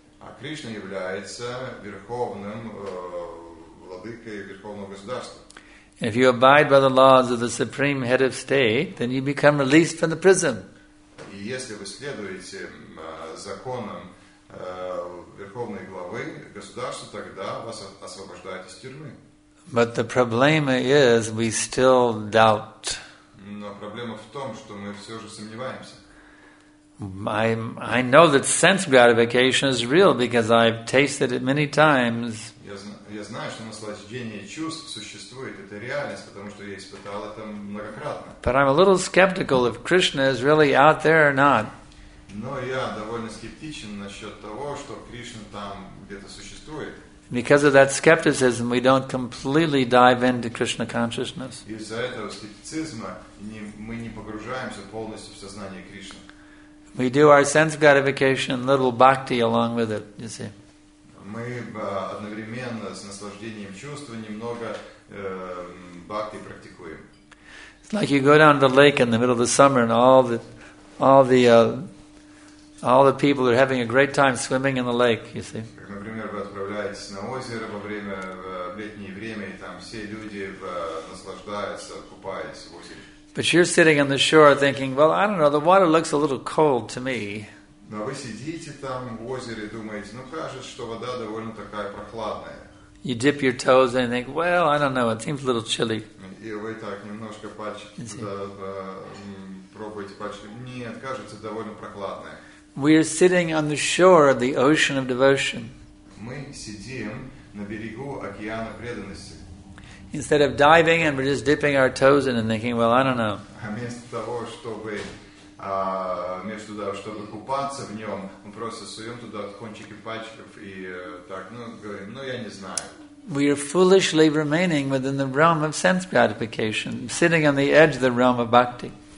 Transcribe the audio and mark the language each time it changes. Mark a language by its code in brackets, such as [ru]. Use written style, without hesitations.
[ru] А Кришна является верховным владыкой верховного государства. [en] If you abide by the laws of the supreme head of state, then you become released from the prison. [ru] И если вы следуете законам верховной главы государства, тогда вас освобождают из тюрьмы. [en] But the problem is we still doubt. [ru] Но проблема в том, что мы все же сомневаемся. [en] I know that sense gratification is real because I've tasted it many times. [ru] Я знаю, что наслаждение чувств существует, это реальность, потому что я испытал это многократно. [en] But I'm a little skeptical if Krishna is really out there or not. [ru] Но я довольно скептичен насчет того, что Кришна там где-то существует. [en] Because of that skepticism, we don't completely dive into Krishna consciousness. [ru] Из-за этого скептицизма мы не погружаемся полностью в сознание Кришны. [en] We do our sense gratification, little bhakti along with it, you see. [ru] Мы одновременно с наслаждением чувства немного бхакти практикуем. [en] It's like you go down to the lake in the middle of the summer and all the people are having a great time swimming in the lake, you see. [ru] Как, например, вы отправляетесь на озеро во время летнее время, и там все люди наслаждаются, купаясь в озере. [en] But you're sitting on the shore thinking, well, I don't know, the water looks a little cold to me. [ru] Но вы сидите там в озере, думаете, ну кажется, что вода довольно такая прохладная. [en] You dip your toes in and think, well, I don't know, it seems a little chilly. [ru] И вы так немножко пальчики туда пробуете пальчики. Нет, кажется, довольно прохладная. [en] We are sitting on the shore of the ocean of devotion. [ru] Мы сидим на берегу океана преданности. [en] Instead of diving and we're just dipping our toes in and thinking, well, I don't know. [ru] Вместо того, чтобы между туда, чтобы купаться в нем, мы просто суем туда кончики пальчиков и так, ну, говорим, ну, я не знаю. [en] We are foolishly remaining within the realm of sense gratification, sitting on the edge of the realm of bhakti.